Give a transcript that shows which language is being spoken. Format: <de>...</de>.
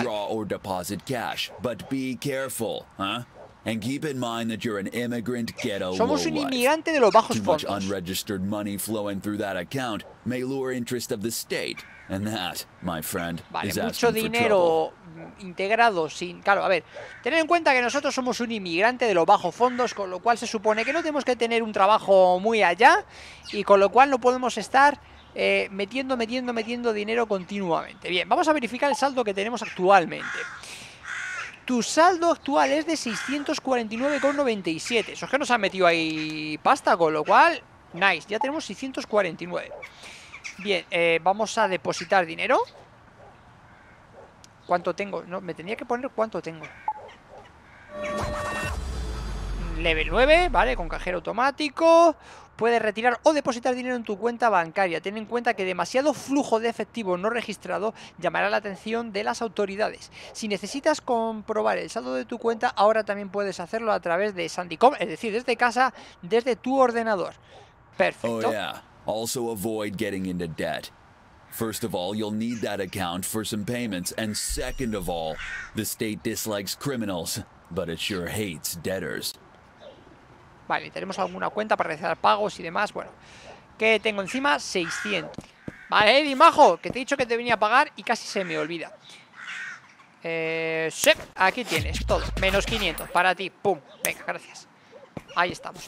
<en>Withdraw or deposit cash, but be careful, huh? And keep in mind that you're an immigrant ghetto.</en> <es>Somos un inmigrante de los bajos fondos.</es> <en>Too much unregistered money flowing through that account may lure interest of the state, and that, my friend, is asking for trouble.</en> <es>Vale, mucho dinero integrado sin, claro, a ver, tener en cuenta que nosotros somos un inmigrante de los bajos fondos, con lo cual se supone que no tenemos que tener un trabajo muy allá, y con lo cual no podemos estar metiendo dinero continuamente. Bien, vamos a verificar el saldo que tenemos actualmente. Tu saldo actual es de 649,97. Eso es que nos ha metido ahí pasta, con lo cual, nice, ya tenemos 649. Bien, vamos a depositar dinero. ¿Cuánto tengo? No, me tendría que poner cuánto tengo. Level 9, vale, con cajero automático. Puedes retirar o depositar dinero en tu cuenta bancaria. Ten en cuenta que demasiado flujo de efectivo no registrado llamará la atención de las autoridades. Si necesitas comprobar el saldo de tu cuenta, ahora también puedes hacerlo a través de Sandycom, es decir, desde casa, desde tu ordenador. Perfecto.</es> <en>Oh, yeah. Also avoid getting into debt. First of all, you'll need that account for some payments. And second of all, the state dislikes criminals, but it sure hates debtors.</en> <es>Vale, tenemos alguna cuenta para realizar pagos y demás. Bueno, ¿qué tengo encima? 600. Vale, Eddie, majo, que te he dicho que te venía a pagar y casi se me olvida. Sí, aquí tienes todo. Menos 500 para ti. Pum, venga, gracias. Ahí estamos.</es>